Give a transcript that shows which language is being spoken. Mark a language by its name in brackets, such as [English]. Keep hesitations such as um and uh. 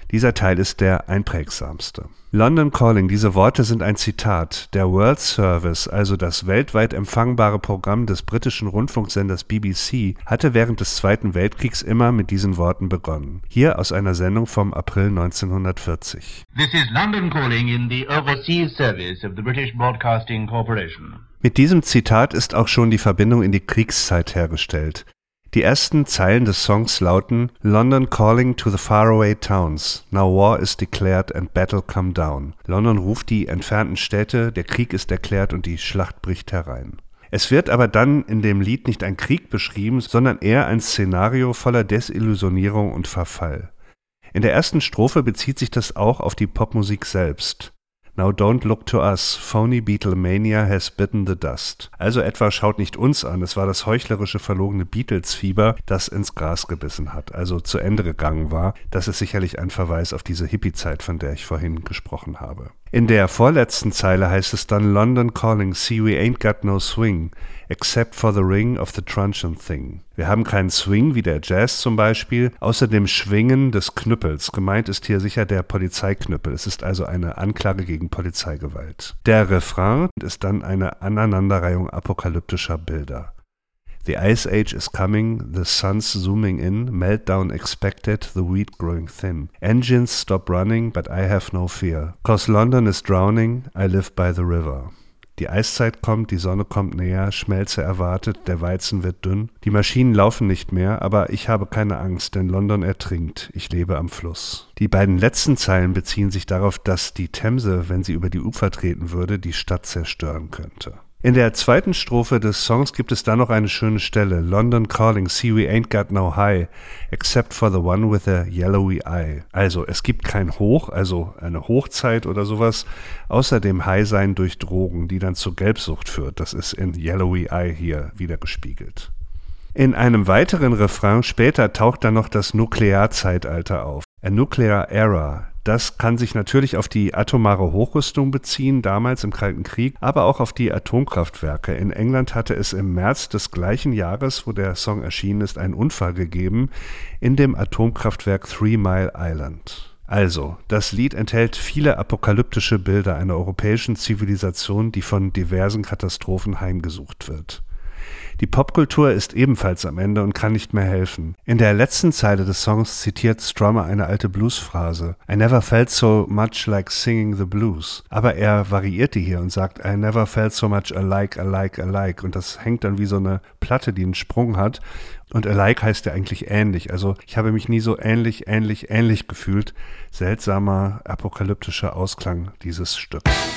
[German] Dieser Teil ist der einprägsamste. London Calling, diese Worte sind ein Zitat. Der World Service, also das weltweit empfangbare Programm des britischen Rundfunksenders BBC, hatte während des Zweiten Weltkriegs immer mit diesen Worten begonnen. Hier aus einer Sendung vom April 1940. [English] This is London calling in the overseas service of the British Broadcasting Corporation. [German] Mit diesem Zitat ist auch schon die Verbindung in die Kriegszeit hergestellt. Die ersten Zeilen des Songs lauten [English] London calling to the faraway towns. Now war is declared and battle come down. [German] London ruft die entfernten Städte, der Krieg ist erklärt und die Schlacht bricht herein. Es wird aber dann in dem Lied nicht ein Krieg beschrieben, sondern eher ein Szenario voller Desillusionierung und Verfall. In der ersten Strophe bezieht sich das auch auf die Popmusik selbst. [English] Now don't look to us, phony Beatlemania has bitten the dust. [German] Also etwa schaut nicht uns an, es war das heuchlerische verlogene Beatles-Fieber, das ins Gras gebissen hat, also zu Ende gegangen war. Das ist sicherlich ein Verweis auf diese Hippie-Zeit, von der ich vorhin gesprochen habe. In der vorletzten Zeile heißt es dann [English] London calling, see we ain't got no swing, except for the ring of the truncheon thing. [German] Wir haben keinen Swing wie der Jazz zum Beispiel, außer dem Schwingen des Knüppels. Gemeint ist hier sicher der Polizeiknüppel. Es ist also eine Anklage gegen Polizeigewalt. Der Refrain ist dann eine Aneinanderreihung apokalyptischer Bilder. [English] The Ice Age is coming, the sun's zooming in, meltdown expected, the wheat growing thin. Engines stop running, but I have no fear. Cause London is drowning, I live by the river. [German] Die Eiszeit kommt, die Sonne kommt näher, Schmelze erwartet, der Weizen wird dünn. Die Maschinen laufen nicht mehr, aber ich habe keine Angst, denn London ertrinkt. Ich lebe am Fluss. Die beiden letzten Zeilen beziehen sich darauf, dass die Themse, wenn sie über die Ufer treten würde, die Stadt zerstören könnte. In der zweiten Strophe des Songs gibt es dann noch eine schöne Stelle. [English] London calling, see we ain't got no high, except for the one with a yellowy eye. [German] Also, es gibt kein Hoch, also eine Hochzeit oder sowas, außer dem Highsein durch Drogen, die dann zur Gelbsucht führt. Das ist in yellowy eye hier wiedergespiegelt. In einem weiteren Refrain später taucht dann noch das Nuklearzeitalter auf. A Nuclear Era, das kann sich natürlich auf die atomare Hochrüstung beziehen, damals im Kalten Krieg, aber auch auf die Atomkraftwerke. In England hatte es im März des gleichen Jahres, wo der Song erschienen ist, einen Unfall gegeben in dem Atomkraftwerk Three Mile Island. Also, das Lied enthält viele apokalyptische Bilder einer europäischen Zivilisation, die von diversen Katastrophen heimgesucht wird. Die Popkultur ist ebenfalls am Ende und kann nicht mehr helfen. In der letzten Zeile des Songs zitiert Strummer eine alte Blues-Phrase. [English] I never felt so much like singing the blues. [German] Aber er variiert die hier und sagt [English] I never felt so much alike, alike, [German] alike. Und das hängt dann wie so eine Platte, die einen Sprung hat. Und alike heißt ja eigentlich ähnlich. Also ich habe mich nie so ähnlich, ähnlich, ähnlich gefühlt. Seltsamer apokalyptischer Ausklang dieses Stücks.